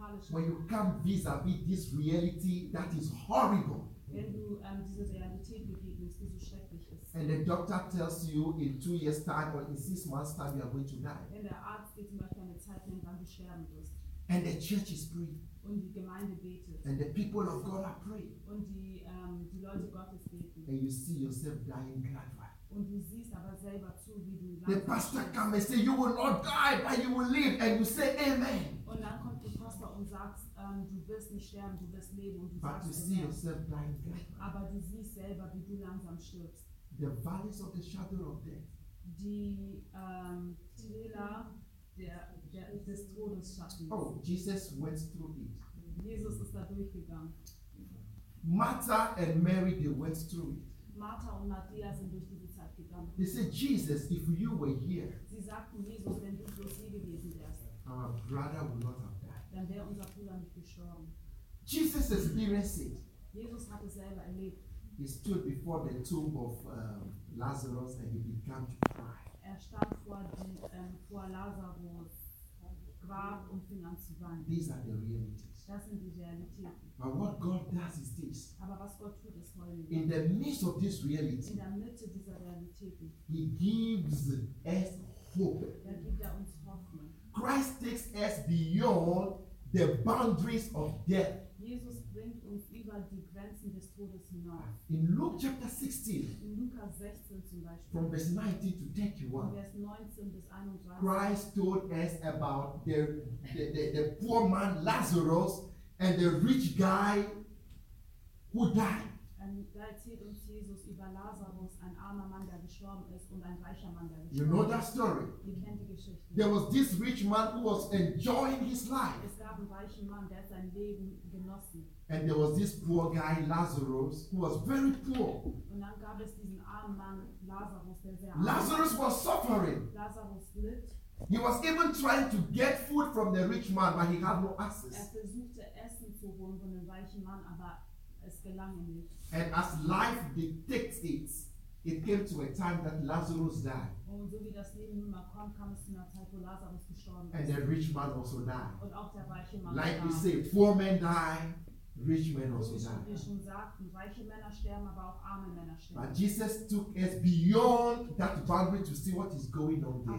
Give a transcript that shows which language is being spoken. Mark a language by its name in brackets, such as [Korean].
[English] when you come vis-a-vis this reality that is horrible. [German] wenn du diese Realität begegnest, die so schrecklich ist. [English] And the doctor tells you in 2 years time or in 6 months time you are going to die. [German] Wenn der Arzt dir zum Beispiel eine Zeit nennt, wann du sterben wirst. [English] And the church is praying. [German] Und die Gemeinde betet. [English] And the people of God are praying. [German] Und die Leute Gottes beten. [English] And you see yourself dying gradually. [German] Und du siehst aber selber zu, wie du [English] the pastor comes and says, you will not die, but you will live. And you say, amen. [German] Und dann kommt der Pastor und sagt, du wirst nicht sterben, du wirst leben. Und du [English] but [German] sagst, [English] you see yourself dying gradually. [German] Aber du siehst selber, wie du langsam stirbst. [English] The valleys of the shadow of death. [German] Die Täler des Todes schatten. [English] Oh, Jesus went through it. [German] Jesus ist da durchgegangen. [English] Martha and Mary, they went through it. [German] Martha und Maria sind durch diese Zeit gegangen. [English] They said, Jesus, if you were here, [German] sie sagten, Jesus, wenn du bloß hier gewesen wärst, [English] our brother would not have died. [German] Dann wäre unser Bruder nicht gestorben. [English] Jesus experienced it. [German] Jesus hat es selber erlebt. [English] He stood before the tomb of Lazarus and he began to cry. [German] Er stand vor Lazarus Grab und fing an zu weinen. [English] These are the realities. [German] Das sind die Realitäten. [English] But what God does is this. [German] Aber was Gott tut, ist Folgendes. [English] In the midst of this reality, [German] in der Mitte dieser Realitäten, [English] He gives us hope. [German] Er gibt uns Hoffnung. [English] Christ takes us beyond the boundaries of death. [German] Jesus bringt uns über die Grenzen des Todes hinaus. [English] In Luke chapter 16, [German] in Lukas 16 zum Beispiel, [English] from verse 19 to 31, [German] vers 19 bis 31, [English] Christ told us about the poor man Lazarus and the rich guy who died. [German] Und da erzählt uns Jesus über Lazarus, ein armer Mann, der gestorben ist, und ein reicher Mann, der gestorben ist. [English] You know that story? [German] Ihr kennt die Geschichte. [English] There was this rich man who was enjoying his life. [German] Es gab einen reichen Mann, der sein Leben genossen. [English] And there was this poor guy Lazarus who was very poor. [German] Und dann gab es diesen armen Mann Lazarus, der sehr arm. [English] Lazarus was suffering. [German] Lazarus litt. [English] He was even trying to get food from the rich man, but he had no access. [German] Er versuchte Essen zu holen von dem reichen Mann, aber es gelang ihm nicht. [English] And as life dictates it, it came to a time that Lazarus died. [German] Und so wie das Leben nun mal kommt, kam es zu einer Zeit, wo Lazarus gestorben ist. [English] And the rich man also died. [German] Und auch der reiche Mann. [English] Like we say, poor men die, rich men also die. [German] Wie schon sagten, reiche Männer sterben, aber auch arme Männer sterben. [English] But Jesus took us beyond that boundary to see what is going on there.